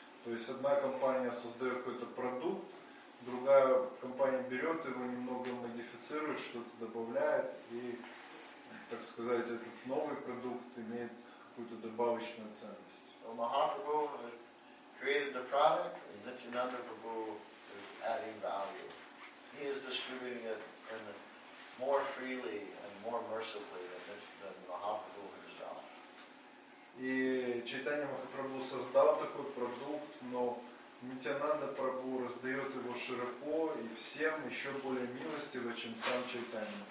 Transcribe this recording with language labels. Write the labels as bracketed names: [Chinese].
[Russian] То есть одна компания создает какой-то продукт, другая компания берет его, немного модифицирует, что-то добавляет, и, так сказать, этот новый продукт имеет какую-то добавочную ценность. [English] Well, Mahaprabhu created the product, and Nityananda Prabhu is adding value. He is distributing it in more freely and more mercifully than Mahaprabhu himself. [Russian] И Чайтанья Махапрабху создал такой продукт, но Нитянанда Прабху раздает его широко и всем еще более милостиво, чем сам Чайтанья.